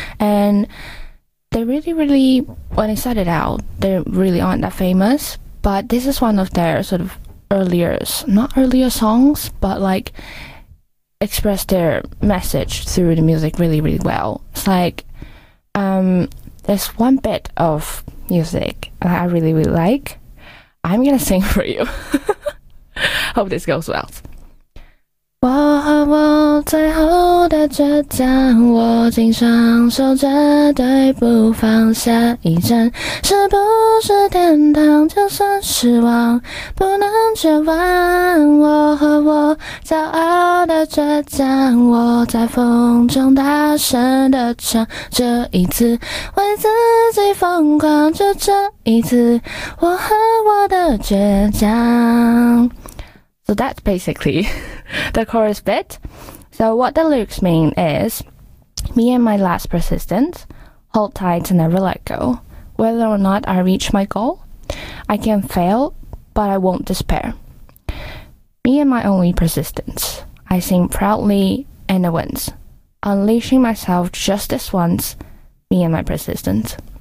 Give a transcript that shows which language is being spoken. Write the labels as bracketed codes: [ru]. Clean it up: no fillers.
[en] And they really, really, when they started out, they really aren't that famous, but this is one of their sort of earlier songs, but like express their message through the music really, really well. It's like there's one bit of music that I really, really like. I'm gonna sing for you. Hope this goes well. [zh] 我和我最后的倔强，握紧双手，绝对不放下。一站是不是天堂？就算失望，不能绝望。我和我骄傲的倔强，我在风中大声的唱。这一次为自己疯狂，就这一次，我和我的倔强。 [en] So that's basically the chorus bit. So what the lyrics mean is, me and my last persistence, hold tight and never let go. Whether or not I reach my goal, I can fail, but I won't despair. Me and my only persistence, I sing proudly and the winds, unleashing myself just this once, me and my persistence.